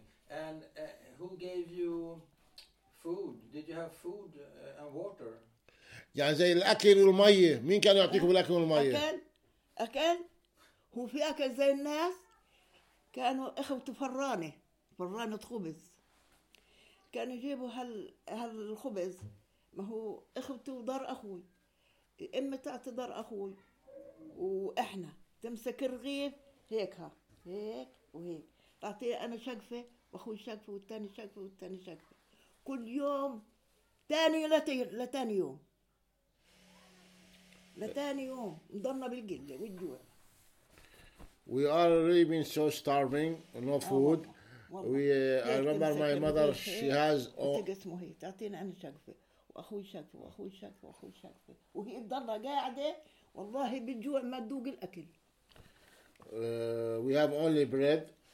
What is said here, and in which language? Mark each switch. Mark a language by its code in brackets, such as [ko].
[en] and who gave you food did you have food and water [ar] يعني زي الأكل والمية مين كان يعطيكم الأكل والمية؟ أكل هو في أكل زي الناس كانوا إخوته فرانة خبز كانوا يجيبوا هالخبز ما هو إخوته ودار أخوي إما تعطي دار أخوي وإحنا تمسك الرغيف هيكها هيك وهيك تعطي أنا شقفة وأخوي شقفة والتاني شقفة والتاني شقفة كل يوم تاني لتاني يوم [en] We are really been so starving, no food. I remember my mother, she has we have only bread.